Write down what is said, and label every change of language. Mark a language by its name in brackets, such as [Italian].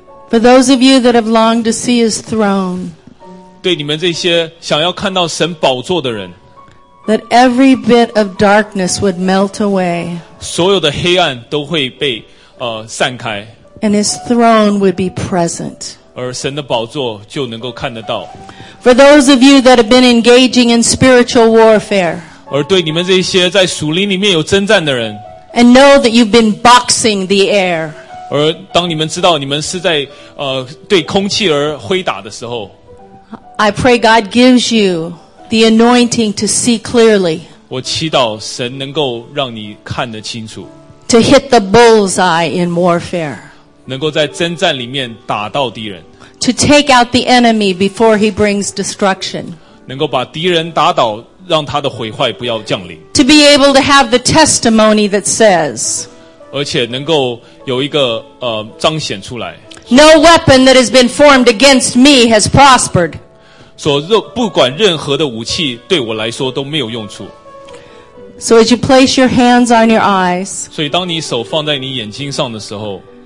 [English] For those of you that have longed to see His throne, [Chinese] 对你们这些想要看到神宝座的人, [English] that every bit of darkness would melt away, [Chinese] 所有的黑暗都会被, 散开, [English] and His throne would be present. [Chinese] 而神的宝座就能够看得到。 [English] For those of you that have been engaging in spiritual warfare, [Chinese] 而对你们这些在属灵里面有征战的人, [English] and know that you've been boxing the air, [Chinese] 而当你们知道你们是在, 对空气而挥打的时候, [English] I pray God gives you the anointing to see clearly. [Chinese] 我祈祷神能够让你看得清楚。 [English] To hit the bullseye in warfare. [Chinese] 能够在征战里面打到敌人。 [English] To take out the enemy before he brings destruction. [Chinese] 能够把敌人打倒，让他的毁坏不要降临。 [English] To be able to have the testimony that says. [Chinese] 而且能够有一个彰显出来。 [English] No weapon that has been formed against me has prospered. [Chinese] 所不管任何的武器对我来说都没有用处。 [English] So as you place your hands on your eyes. [Chinese] 所以当你手放在你眼睛上的时候。